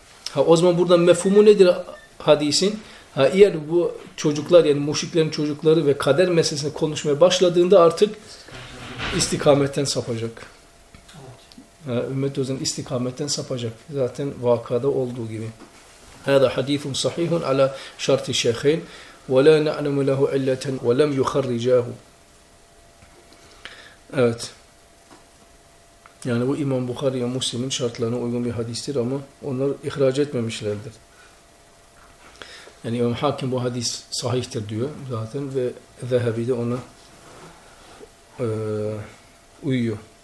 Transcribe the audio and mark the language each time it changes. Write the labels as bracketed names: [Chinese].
[Turkish] Ha, o zaman buradan mefhumu nedir hadisin? Ha, eğer bu çocuklar yani müşriklerin çocukları ve kader meselesini konuşmaya başladığında artık istikametten sapacak. Ha, ümmet o zaman istikametten sapacak. Zaten vakada olduğu gibi. [Arabic] هذا حديث صحيح على شرط الشيخين ولا نعلم له علة ولم يخرجاه. [Turkish] Evet. Yani bu İmam Bukhari ve Müslim'in şartlarına uygun bir hadistir ama onlar ihraç etmemişlerdir. Yani İmam Hakim bu hadis sahihtir diyor zaten ve Zehebi de ona uyuyor.